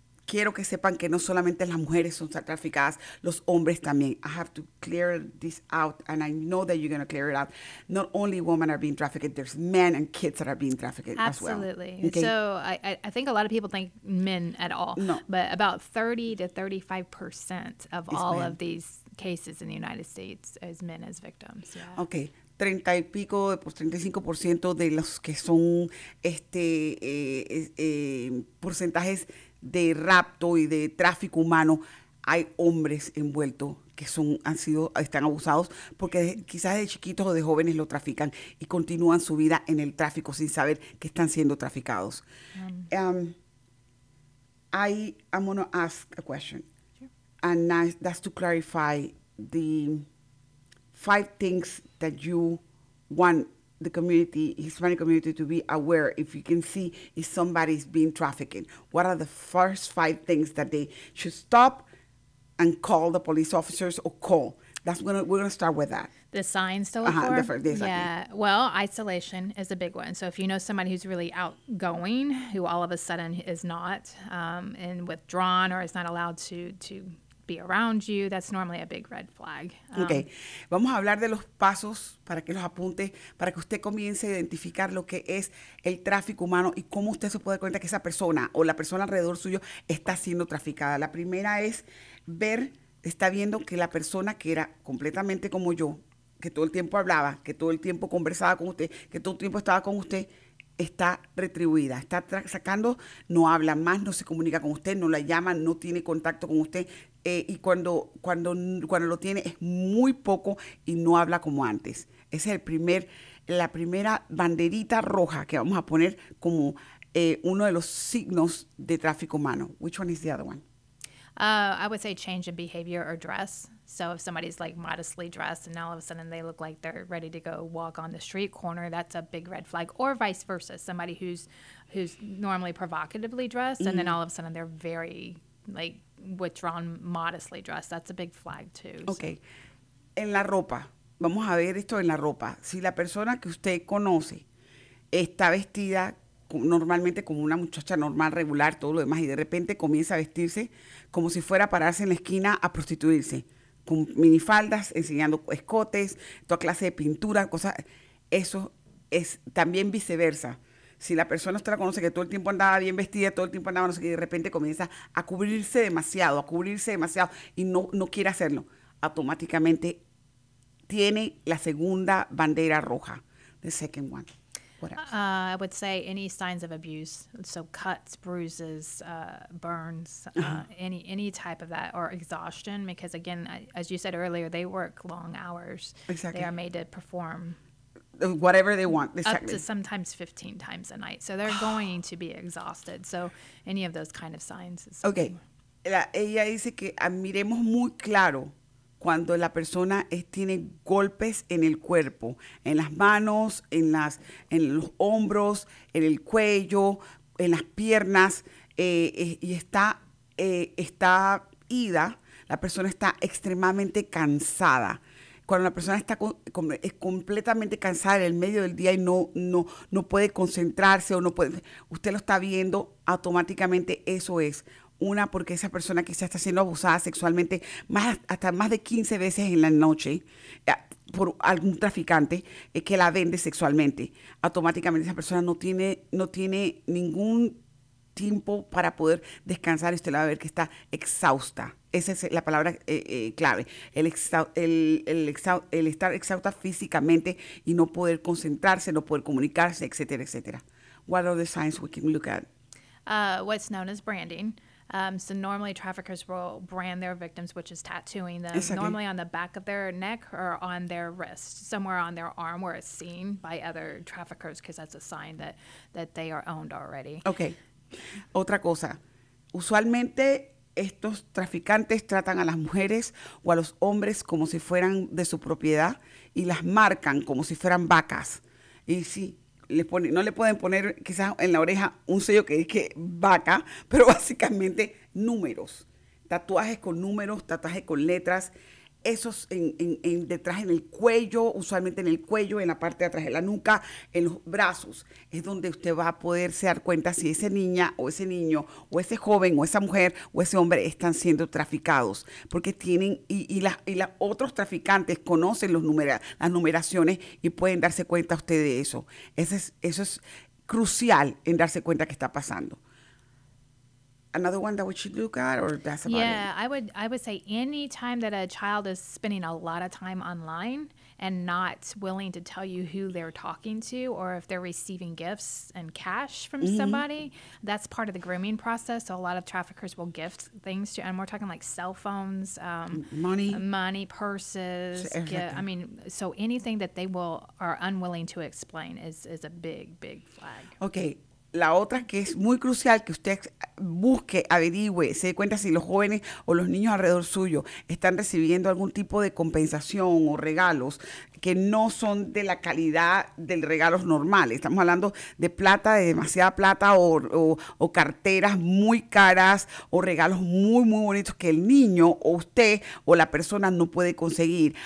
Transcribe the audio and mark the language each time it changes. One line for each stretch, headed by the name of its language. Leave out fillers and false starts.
Spanish: Quiero que sepan que no solamente las mujeres son traficadas, los hombres también.
English: I have to clear this out, and I know that you're going to clear it out. Not only women are being trafficked, there's men and kids that are being trafficked Absolutely. As well. Absolutely. Okay. So I think a lot of people think men at all. No. But about 30 to 35% of it's all men. Of these cases in the United States is men as victims. Yeah. Okay.
Spanish: 35% de los que son porcentajes de rapto y de tráfico humano, hay hombres envueltos que están abusados porque quizás de chiquitos o de jóvenes lo trafican y continúan su vida en el tráfico sin saber que están siendo traficados.
English: I'm going to ask a question. Sure. And that's to clarify the 5 things that you want the community, Hispanic community, to be aware if you can see if somebody's being trafficking. What are the first 5 things that they should stop and call the police officers or call? We're going to start with that. The signs to look for? The signs. Yeah. Well, isolation is a big one. So if you know somebody who's really outgoing, who all of a sudden is not and withdrawn or is not allowed to be around you, that's normally a big red flag. Okay.
Spanish: Vamos a hablar de los pasos para que los apunte, para que usted comience a identificar lo que es el tráfico humano y cómo usted se puede dar cuenta que esa persona o la persona alrededor suyo está siendo traficada. La primera es ver, está viendo que la persona que era completamente como yo, que todo el tiempo hablaba, que todo el tiempo conversaba con usted, que todo el tiempo estaba con usted, está retribuida, está sacando, no habla más, no se comunica con usted, no la llama, no tiene contacto con usted. Y cuando lo tiene es muy poco y no habla como antes. Esa es la primera banderita roja que vamos a poner como uno de los signos de tráfico humano.
English: Which one is the other one? I would say change in behavior or dress. So if somebody's like modestly dressed and all of a sudden they look like they're ready to go walk on the street corner, that's a big red flag. Or vice versa, somebody who's normally provocatively dressed, mm-hmm. and then all of a sudden they're very like withdrawn, modestly dressed. That's a big flag too.
Spanish: Okay. En la ropa. Vamos a ver esto en la ropa. Si la persona que usted conoce está vestida normalmente como una muchacha normal, regular, todo lo demás, y de repente comienza a vestirse como si fuera a pararse en la esquina a prostituirse, con minifaldas, enseñando escotes, toda clase de pintura, cosas. Eso es también viceversa. Si la persona usted la conoce que todo el tiempo andaba bien vestida, todo el tiempo andaba, no sé qué, y de repente comienza a cubrirse demasiado, y no quiere hacerlo, automáticamente tiene la segunda bandera roja.
English: The second one. What else? I would say any signs of abuse, so cuts, bruises, burns, any type of that, or exhaustion, because again, as you said earlier, they work long hours. Exactly. They are made to perform whatever they want. This up technique. To sometimes 15 times a night. So they're going to be exhausted. So any of those kind of signs. Is okay.
Spanish: Ella dice que miremos muy claro cuando la persona tiene golpes en el cuerpo, en las manos, en los hombros, en el cuello, en las piernas, y está ida, la persona está extremadamente cansada. Cuando la persona está es completamente cansada en el medio del día y no puede concentrarse o no puede, usted lo está viendo, automáticamente eso es. Una, porque esa persona quizá está siendo abusada sexualmente hasta más de 15 veces en la noche por algún traficante que la vende sexualmente. Automáticamente esa persona no tiene ningún tiempo para poder descansar y usted la va a ver que está exhausta. Esa es la palabra clave, el estar exhausta físicamente y no poder concentrarse, no poder comunicarse, etcétera, etcétera.
English: What are the signs we can look at? What's known as branding. So normally traffickers will brand their victims, which is tattooing them, normally on the back of their neck or on their wrist, somewhere on their arm where it's seen by other traffickers, because that's a sign that they are owned already.
Spanish: Okay. Otra cosa. Usualmente estos traficantes tratan a las mujeres o a los hombres como si fueran de su propiedad y las marcan como si fueran vacas. Y sí. No le pueden poner quizás en la oreja un sello que dice vaca, pero básicamente números. Tatuajes con números, tatuajes con letras. Esos en detrás, en el cuello, usualmente en el cuello, en la parte de atrás de la nuca, en los brazos. Es donde usted va a poderse dar cuenta si esa niña o ese niño o ese joven o esa mujer o ese hombre están siendo traficados. Porque tienen, y los otros traficantes conocen las numeraciones y pueden darse cuenta usted de eso. Eso es crucial en darse cuenta que está pasando.
English: Another one that we should look at, or that's about it? I would say any time that a child is spending a lot of time online and not willing to tell you who they're talking to, or if they're receiving gifts and cash from somebody, that's part of the grooming process. So a lot of traffickers will gift things to, and we're talking like cell phones, money, purses, so anything that they are unwilling to explain is a big, big flag. Okay.
Spanish: La otra que es muy crucial que usted busque, averigüe, se dé cuenta si los jóvenes o los niños alrededor suyo están recibiendo algún tipo de compensación o regalos que no son de la calidad del regalos normales. Estamos hablando de plata, de demasiada plata o carteras muy caras o regalos muy, muy bonitos que el niño o usted o la persona no puede conseguir.